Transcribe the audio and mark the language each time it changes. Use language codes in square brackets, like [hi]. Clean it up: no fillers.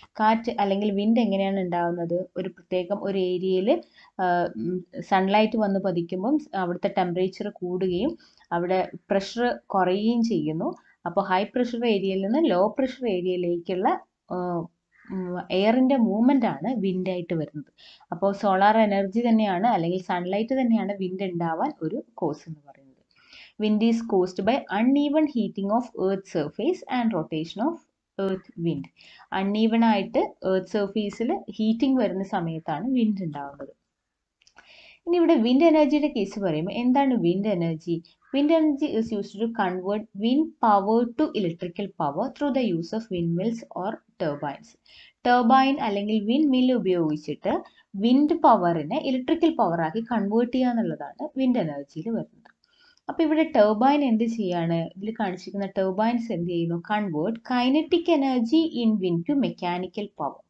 [ml] കാറ്റ് അല്ലെങ്കിൽ വിൻഡ് എങ്ങനെയാണ് ഉണ്ടാകുന്നത്? ഒരു പ്രത്യേകം ഒരു ഏരിയയിൽ സൺലൈറ്റ് വന്ന് പതിക്കുമ്പം അവിടുത്തെ ടെമ്പറേച്ചർ കൂടുകയും അവിടെ പ്രഷർ കുറയുകയും ചെയ്യുന്നു. അപ്പോൾ ഹൈ പ്രഷർ ഏരിയയിൽ നിന്ന് ലോ പ്രഷർ ഏരിയയിലേക്കുള്ള എയറിൻ്റെ മൂവ്മെൻ്റ് ആണ് വിൻഡ് ആയിട്ട് വരുന്നത്. അപ്പോൾ സോളാർ എനർജി തന്നെയാണ് അല്ലെങ്കിൽ സൺലൈറ്റ് തന്നെയാണ് വിൻഡ് ഉണ്ടാവാൻ ഒരു കോസ് എന്ന് പറയുന്നത്. [en] Wind is caused by uneven heating of earth surface and rotation of earth wind. [ml] Uneven ആയിട്ട് earth surface-ല് heating വരുന്ന സമയത്താണ് wind ഉണ്ടാകുന്നത്. ഇനി ഇവിടെ wind energy-യുടെ കേസ് പറയുമ്പോൾ എന്താണ് wind energy? [en] Wind energy is used to convert wind power to electrical power through the use of windmills or turbines. [ml] Turbine അല്ലെങ്കിൽ wind mill ഉപയോഗിച്ചിട്ട് wind പവറിനെ ഇലക്ട്രിക്കൽ പവറാക്കി കൺവേർട്ട് ചെയ്യുക എന്നുള്ളതാണ് wind energy-യിൽ വരുന്നത്. അപ്പോൾ ഇവിടെ ടെർബൈൻ എന്ത് ചെയ്യാണ്? ഇതിൽ കാണിച്ചിരിക്കുന്ന ടെർബൈൻസ് എന്ത് ചെയ്യുന്നു? [en] Convert kinetic energy in wind to mechanical power.